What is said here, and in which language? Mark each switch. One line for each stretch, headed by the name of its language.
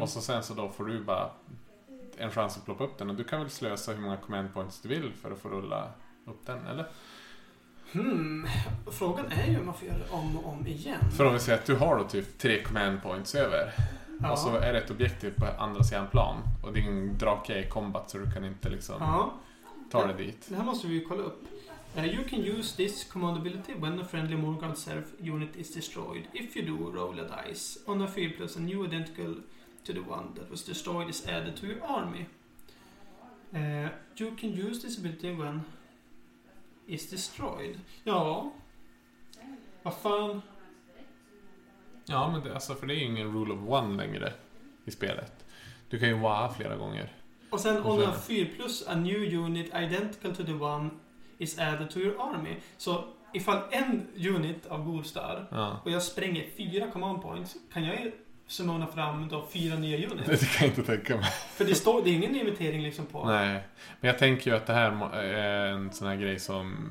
Swedish: Och så sen så då får du bara en chans att ploppa upp den. Och du kan väl slösa hur många command points du vill för att få rulla upp den, eller? Frågan är ju om man får göra om och om igen. För om vi säger att du har då typ 3 command points över. Ja. Och så är det ett objektiv på andra sidan plan. Och din drake är i combat, så du kan inte liksom ta det dit. Det här måste vi ju kolla upp.
English: You can use this command ability when a friendly Morgan Serf unit is destroyed. If you do, roll a dice. On a 4 plus a new identical to the one that was destroyed is added to your army. You can use this ability when... is destroyed.
Swedish: Ja. Vad fan? Ja, men det, alltså, för det är ju ingen rule of one längre i spelet. Du kan ju vara flera gånger. Och sen om
English: 4 plus a new unit identical to the one is added to your army.
Swedish: Så ifall en unit av ghouls dör och jag spränger 4 command points, kan jag ju summona fram då 4 nya units. Det kan jag inte tänka mig. För det är ingen limitering liksom på. Nej, men jag tänker ju att det här är en sån här grej som...